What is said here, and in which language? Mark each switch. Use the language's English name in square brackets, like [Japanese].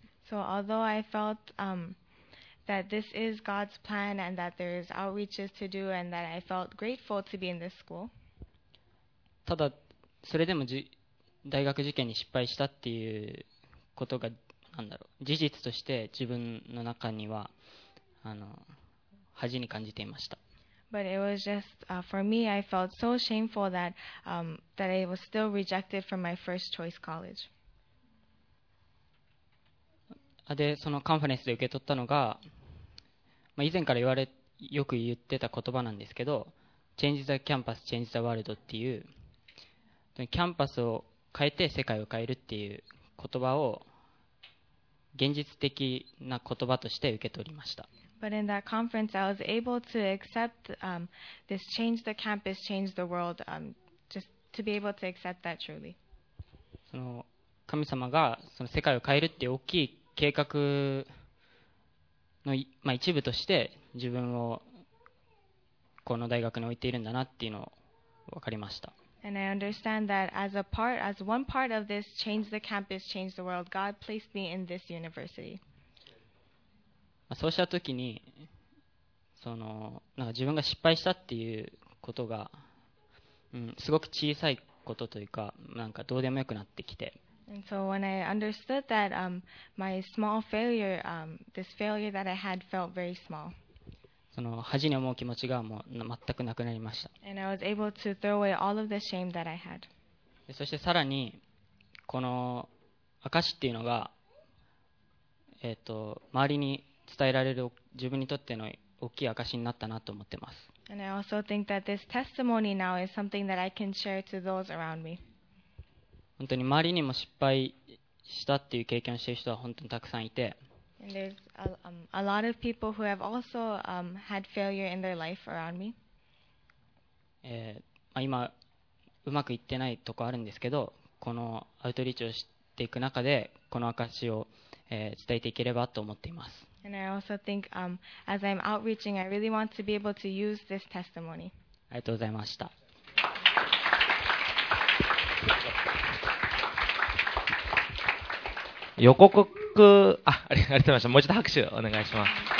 [English] So although I felt that this is God's plan and that there is outreaches to do and that I felt grateful to be in this school. [Japanese] ただそれでも大学受験に失敗したっていうことが何だろう事実として自分の中には恥に感じていました。 [English] But it was just for me, I felt so shameful that that I was still rejected from my first choice college. [Japanese] でそのカンファレンスで受け取ったのが、まあ、以前から言われよく言ってた言葉なんですけど [English] Change the campus, change the world [Japanese] っていうキャンパスを変えて世界を変えるっていう言葉を現実的な言葉として受け取りました。 [English] But in that conference I was able to accept this change the campus, change the world just to be able to accept that truly. [Japanese] その神様がその世界を変えるって大きい計画の、まあ、一部として自分をこの大学に置いているんだなっていうのを分かりました。 [English] And I understand that as a part, as one part of this, change the campus, change the world, God placed me in this university. [Japanese] そうしたときに、その、なんか自分が失敗したっていうことが、うん、すごく小さいことというか、なんかどうでもよくなってきて、 [English] And so when I understood that my small failure, this failure that I had felt very small. [Japanese] その恥に思う気持ちがもう全くなくなりました。 [English] And I was able to throw away all of the shame that I had. [Japanese] そしてさらにこの証っていうのが、周りに伝えられる自分にとっての大きい証になったなと思ってます。 [English] And I also think that this testimony now is something that I can share to those around me. [Japanese] 本当に周りにも失敗したっていう経験をしている人は本当にたくさんいて、 [English] And there's a lot of people who have also had failure in their life around me. [Japanese] 今うまくいってないとこあるんですけど、このアウトリーチをしていく中でこの証を、伝えていければと思っています。 [English] And I also think as I'm outreaching, I really want to be able to use this testimony. [Japanese] ありがとうございました。予告、ありがとうございました。もう一度拍手お願いします。